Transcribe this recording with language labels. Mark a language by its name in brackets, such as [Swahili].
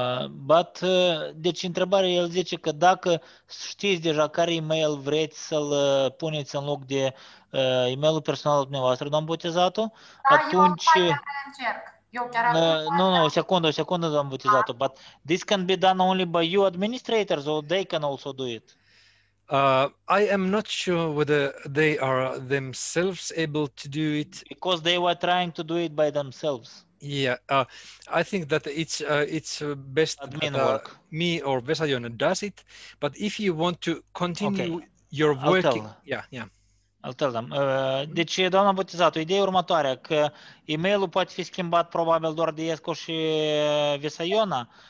[Romanian] But deci întrebarea el zice că dacă știți deja care email vreți să-l puneți în loc de emailul personal al dumneavoastră, domn botezat-o, da, atunci eu o secundă, [English] domn botezat-o, but this can be done only by you administrators or they can also do it. I am not sure whether they are themselves able to do it. Because they were trying to do it by themselves. Yeah, I think that it's best admin that work. Me or Vesa Iona does it. But if you want to continue okay. you're working. Yeah. I'll tell them. [Romanian] Deci, doamna Botezatu, ideea e următoarea, că e-mailul poate fi schimbat probabil doar de Esco și Visayona.